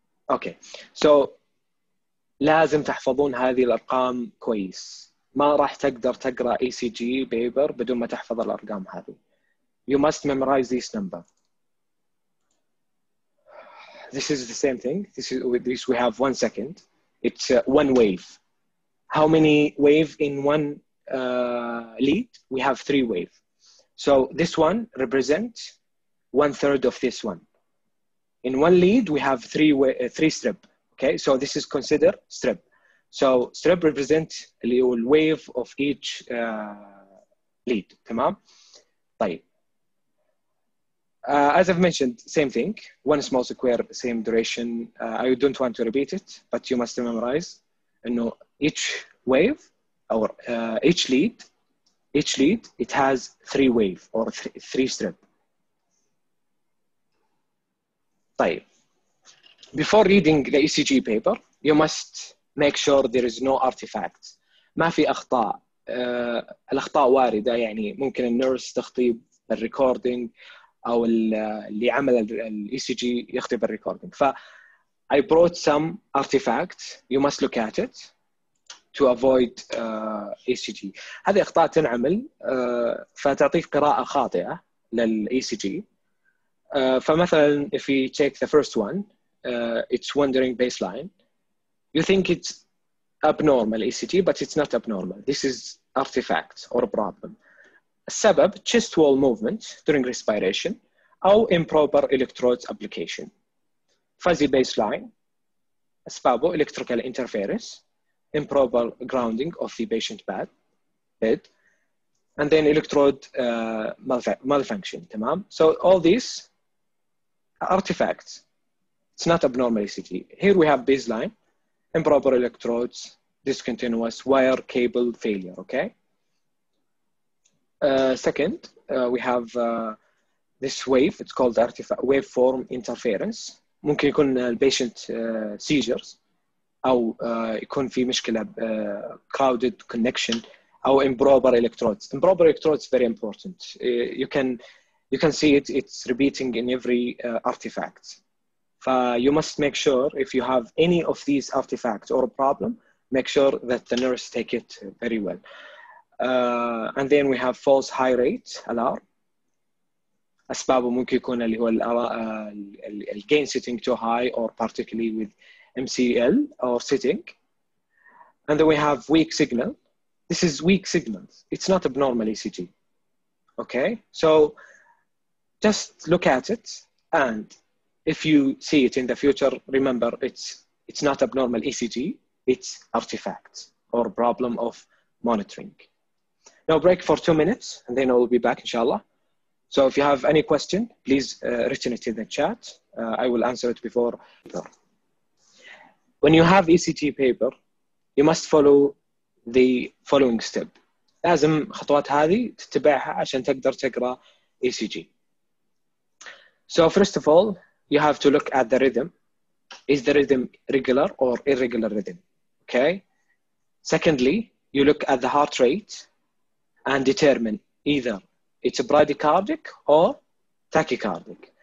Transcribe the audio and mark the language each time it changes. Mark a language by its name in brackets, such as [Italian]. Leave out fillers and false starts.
[Arabic] Okay, so لازم تحفظون هذه الأرقام كويس. ما راح تقدر تقرأ ECG paper بدون ما تحفظ الأرقام هذه. [English] You must memorize this number. This is the same thing. This is with this we have 1 second. It's one wave. How many wave in one lead? We have 3 wave. So this one represents 1/3 of this one. In one lead, we have three strip. Okay, so this is considered strip. So strip represents a little wave of each lead. [Arabic] Tamam? طيب. [English] As I've mentioned, same thing. One small square, same duration. I don't want to repeat it, but you must memorize. You know, each wave or each lead, it has 3 wave or three strip. [Arabic] طيب. [English] Before reading the ECG paper, you must make sure there is no artifacts. [Arabic] ما في أخطاء. الأخطاء واردة يعني ممكن النيرس تخطيب الريكوردينج أو اللي عمل الـ ECG يخطيب الريكوردينج. [English] ف I brought some artifacts. You must look at it to avoid ECG. [Arabic] هذه أخطاء تنعمل فتعطيك قراءة خاطئة للـ ECG. [English] فمثلا if we take the first one, it's wandering baseline. You think it's abnormal ECG, but it's not abnormal. This is artifact or a problem. Sebab, chest wall movement during respiration or improper electrodes application. Fuzzy baseline, asbabo, electrical interference, improper grounding of the patient bed, and then electrode malfunction. Tamam? So all these artifacts. It's not abnormal ECG. Here we have baseline, improper electrodes, discontinuous wire cable failure, okay? Second, we have this wave, it's called artifact waveform interference. [Arabic] ممكن يكون [English] patient seizures, [Arabic] أو يكون في مشكلة [English] crowded connection, [Arabic] أو [English] improper electrodes. Improper electrodes very important. You can see it, it's repeating in every artifact. You must make sure if you have any of these artifacts or a problem, make sure that the nurse take it very well. And then we have false high rate alarm. [Arabic] أسبابه ممكن يكون اللي هو ال [English] gain sitting too high or particularly with MCL or sitting. And then we have weak signal. This is weak signals. It's not abnormal ECG. Okay, so just look at it and if you see it in the future, remember it's not abnormal ECG, it's artifacts or problem of monitoring. Now break for 2 minutes and then I'll be back inshallah. So if you have any question, please written it in the chat. I will answer it before. When you have ECG paper, you must follow the following step. [Arabic] لازم خطوات هذه تتبعها عشان تقدر تقرأ ECG. [English] So first of all, you have to look at the rhythm. Is the rhythm regular or irregular rhythm? Okay. Secondly, you look at the heart rate and determine either it's a bradycardic or tachycardic.